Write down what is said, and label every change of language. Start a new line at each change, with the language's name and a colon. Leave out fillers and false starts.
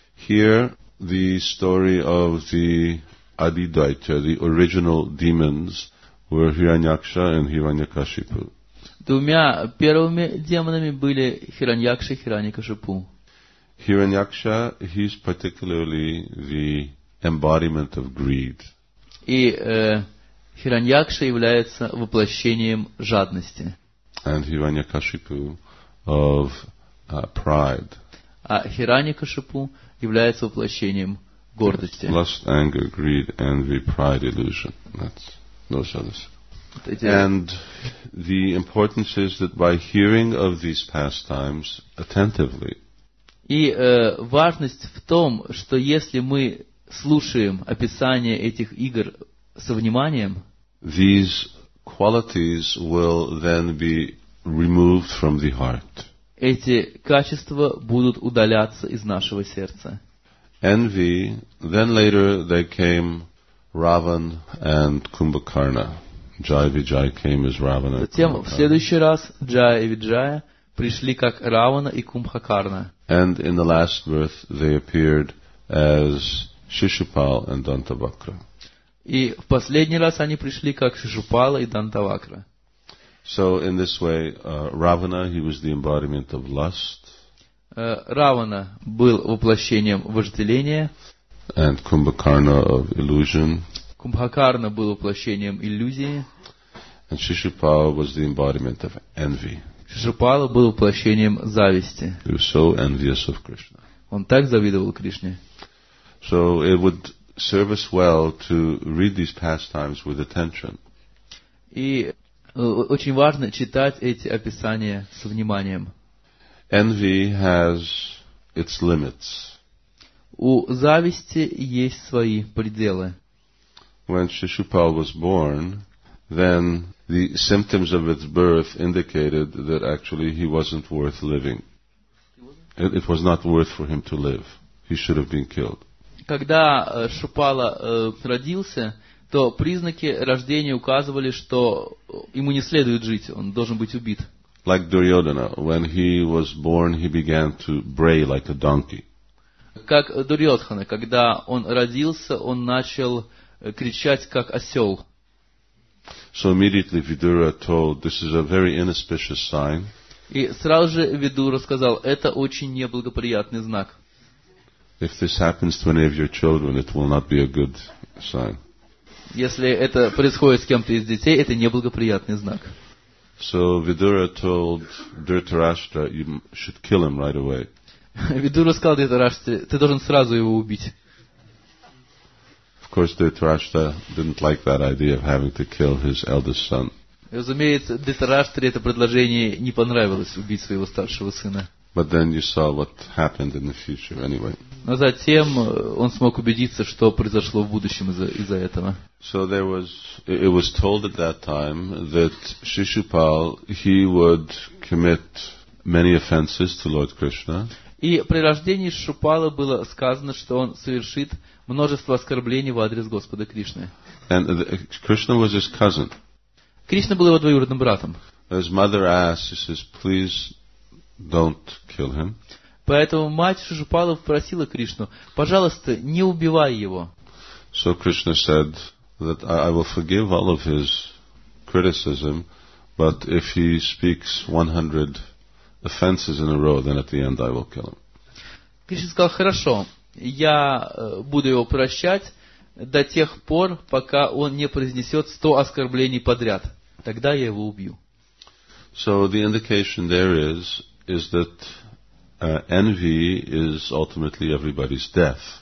English: Here the story of the Adidaita, the original demons, were Hiranyaksha and Hiranyakashipu.
Russian: Двумя первыми демонами были Хираньякша и Хираньякашипу.
English: Hiranyaksha, he's particularly the embodiment of greed.
Russian: И Хираньякша является воплощением жадности.
English: And Hiranyakashipu of pride.
Russian: А Хираньякашипу является воплощением гордости.
English: Lust, anger, greed, envy, pride, illusion. That's those others. And the importance is that by hearing of these pastimes attentively.
Russian: И важность в том, что если мы слушаем описание этих игр со вниманием,
English: these qualities will then be removed from the heart.
Russian: Эти качества будут удаляться из нашего сердца.
English: Envy, then later they came Ravan and Kumbhakarna. Jai Vijay came as Ravana.
Russian: Затем в следующий раз Джая и Виджая пришли как Равана и Кумбхакарна.
English: And in the last birth they appeared as Шишупал and Дантавакра.
Russian: И в последний раз они пришли как Шишупала и Дантавакра.
English: So in this way, Ravana, he was the embodiment of lust.
Russian: Равана был воплощением вожделения.
English: And Kumbhakarna of illusion.
Russian: Кумбхакарна был воплощением иллюзии.
English: And Шишупала was the embodiment of envy.
Russian: Шишупала был воплощением зависти.
English: He was so envious of Krishna.
Russian: Он так завидовал Кришне.
English: So it would serve us well to read these pastimes with attention.
Russian: И очень важно читать эти описания с вниманием.
English: Envy has its limits.
Russian: У зависти есть свои пределы.
English: When Shishupal was born, then the symptoms of its birth indicated that actually he wasn't worth living. It was not worth for him to live. He should have been killed.
Russian: Когда Шупала родился, то признаки рождения указывали, что ему не следует жить, он должен быть убит.
English: Like Duryodhana, when he was born, he began to bray like a donkey.
Russian: Как Дурьотхана, когда он родился, он начал кричать как осел.
English: So immediately Vidura told, this is a very inauspicious sign.
Russian: И сразу же Видура сказал, это очень неблагоприятный знак.
English: If this happens to any of your children, it will not be a good sign.
Russian: Если это происходит с кем-то из детей, это неблагоприятный знак.
English: So Vidura told Dhritarashtra, you should kill him right away.
Russian: Vidura сказал Dhritarashtra, ты должен сразу его убить.
English: Of course, Dhritarashtra didn't like that idea of having to kill his eldest son.
Russian: Разумеется, Dhritarashtra это предложение не понравилось, убить своего старшего сына.
English: But then you saw what happened in the future anyway.
Russian: Но затем он смог убедиться, что произошло в будущем из-за этого.
English: So there was, it was told at that time that Shishupal, he would commit many offenses to Lord Krishna.
Russian: И при рождении Шишупала было сказано, что он совершит множество оскорблений в адрес Господа Кришны.
English: And Krishna was his cousin.
Russian: Кришна был его двоюродным братом.
English: His mother asked, she says, please don't kill him.
Russian: Поэтому мать Шишупала просила Кришну, пожалуйста, не убивай его.
English: So Krishna said that I will forgive all of his criticism, but if he speaks 100 offenses in a row, then at the end I will kill him.
Russian: Кришна сказал, хорошо, я буду его прощать до тех пор, пока он не произнесет 100 оскорблений подряд. Тогда я его убью.
English: So the indication there is that envy is ultimately everybody's death.